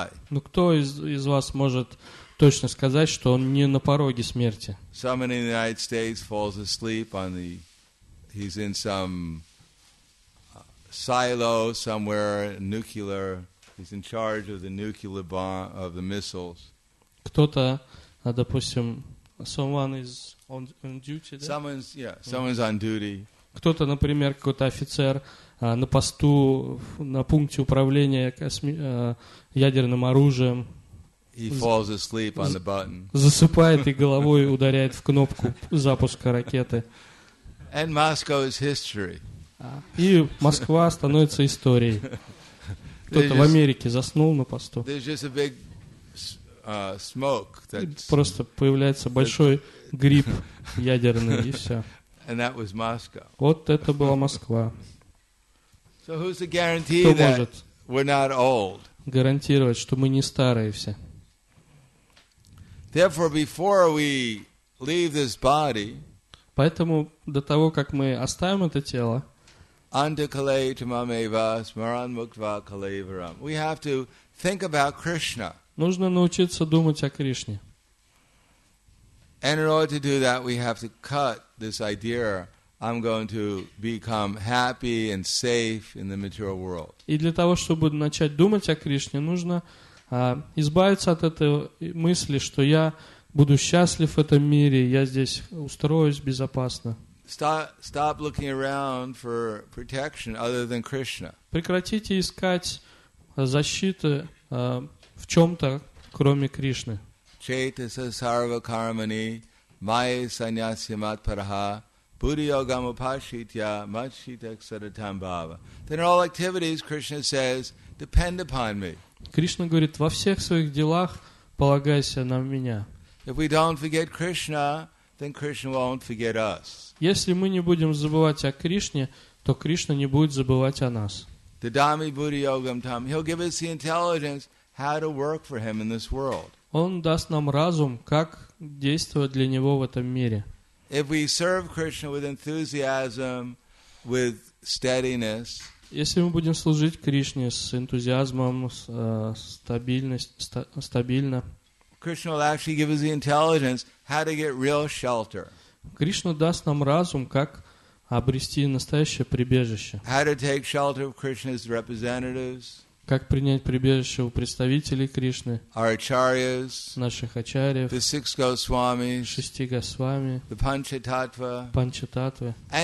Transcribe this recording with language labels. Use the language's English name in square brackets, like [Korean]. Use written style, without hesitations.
[Russian] Но кто из вас может точно сказать, что он не на пороге смерти? [English] Someone in the United States falls asleep on the he's in some silo somewhere nuclear. He's in charge of the nuclear bomb of the missiles. [Russian] Кто-то допустим, [English] someone is on duty. [Russian] Да? [English] Someone's on duty. [Russian] Кто-то, например, какой-то офицер на посту, на пункте управления ядерным оружием. [English] He falls asleep on the button. [Russian] Засыпает и головой ударяет в кнопку запуска ракеты. [English] And Moscow is history. [Russian] И Москва становится историей. Кто-то в Америке заснул на посту. [English] Smoke. [Russian] Просто появляется большой гриб ядерный и все. [English] And that was Moscow. [Russian] Вот это была Москва. [English] So who's the guarantee that we're not old? [Russian] Кто может гарантировать, что мы не старые все? [English] Therefore, before we leave this body, [Russian] поэтому до того, как мы оставим это тело, [English] we have to think about Krishna. [Russian] Нужно научиться думать о Кришне. [English] And in order to do that, we have to cut this idea, I'm going to become happy and safe in the material world. [Russian] И для того, чтобы начать думать о Кришне, нужно избавиться от этой мысли, что я буду счастлив в этом мире, я здесь устроюсь безопасно. [English] Stop looking around for protection other than Krishna. [Russian] Прекратите искать защиты в чем-то, кроме Кришны. [Sanskrit] Чейтаса сарва кармани майя саньясим атпараха буддхиогам упашитья мачитаксаратам бхава. [English] Then in all activities, Krishna says, depend upon me. [Russian] Кришна говорит, во всех своих делах полагайся на меня. [English] If we don't forget Krishna, then Krishna won't forget us. [Russian] Если мы не будем забывать о Кришне, то Кришна не будет забывать о нас. [Sanskrit] Дадами Будди Йогам Там. [English] He'll give us the intelligence how to work for Him in this world. [Russian] Он даст нам разум, как действовать для Него в этом мире. [English] If we serve Krishna with enthusiasm, with steadiness. [Russian] Если мы будем служить Кришне с энтузиазмом, стабильно. [English] Krishna will actually give us the intelligence how to get real shelter. [Russian] Кришна даст нам разум, как обрести настоящее прибежище. Как принять прибежище у представителей Кришны, наших ачарьев, шести госвами, панчататвы.